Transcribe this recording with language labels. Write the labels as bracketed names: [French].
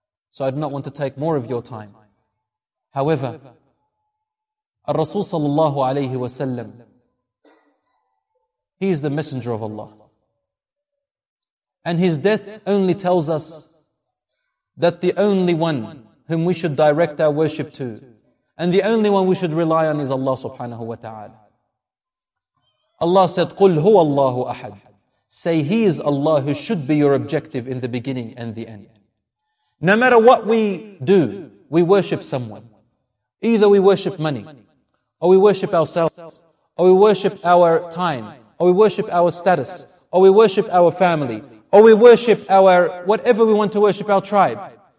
[English] So I do not want to take more of your time. However, Rasul sallallahu alayhi wa sallam, he is the messenger of Allah. And his death only tells us that the only one whom we should direct our worship to and the only one we should rely on is Allah subhanahu wa ta'ala. Allah said, [Arabic] قُلْ هُوَ اللَّهُ أَحَدْ. [English] Say, he is Allah who should be your objective in the beginning and the end. No matter what we do, we worship someone. Either we worship money, or we worship ourselves, or we worship our time, or we worship our status, or we worship our family, or we worship our, whatever we want to worship, our tribe.